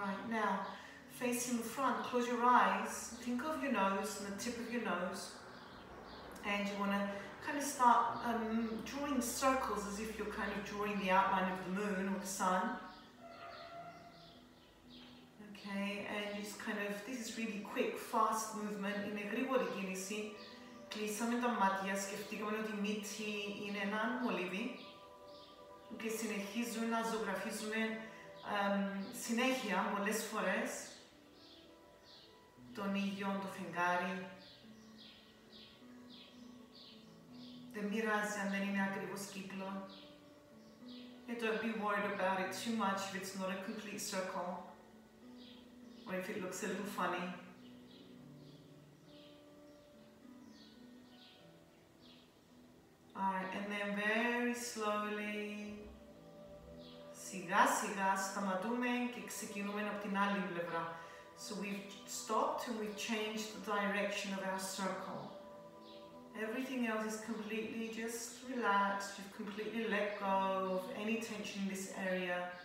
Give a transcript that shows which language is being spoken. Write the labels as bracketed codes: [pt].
[en] Now, facing the front, close your eyes, think of your nose and the tip of your nose, and you want to kind of start drawing circles as if you're kind of drawing the outline of the moon or the sun. Okay, and just kind of, this is really quick, fast movement. [el] Είναι γρήγορη κίνηση. Κλείσαμε τα μάτια, σκεφτήκαμε ότι η μύτη είναι έναν μολύβι και συνεχίζουμε να ζωγραφίζουμε συνέχεια, πολλές φορές, τον ίδιο, το φεγγάρι. Δεν πειράζει αν δεν είναι ακριβώς κύκλο. [en] And don't be worried about it too much if it's not a complete circle or if it looks a little funny. Alright, and then very slowly, [el] σιγά σιγά σταματούμε και ξεκινούμε από την άλλη πλευρά. [en] So we've stopped and we've changed the direction of our circle. Everything else is completely just relaxed. You've completely let go of any tension in this area.